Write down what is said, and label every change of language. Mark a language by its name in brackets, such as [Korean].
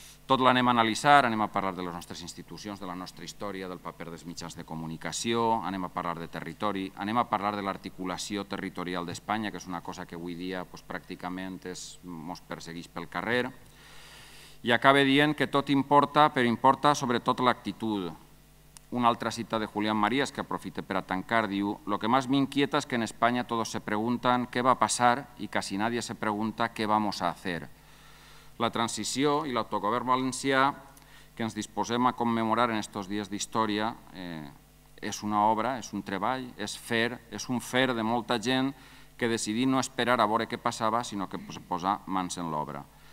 [Catalan] Tot l'anem a analitzar, anem a parlar de les nostres institucions, de la nostra història, del paper dels mitjans de comunicació, anem a parlar de territori, anem a parlar de l'articulació territorial d'Espanya, que és una cosa que avui dia pràcticament ens persegueix pel carrer. I acaba dient que tot importa, però importa sobretot l'actitud. Una altra cita de Julián Marías, que aprofita per a tancar, diu: [Spanish] «Lo que más me inquieta es que en España todos se preguntan qué va a pasar y casi nadie se pregunta qué vamos a hacer». [Catalan] La transició i l'autogovern valencià que ens disposem a commemorar en aquests dies d'història és una obra, és un treball, és un fer de molta gent que decidí no esperar a veure què passava, sinó que posar mans en l'obra.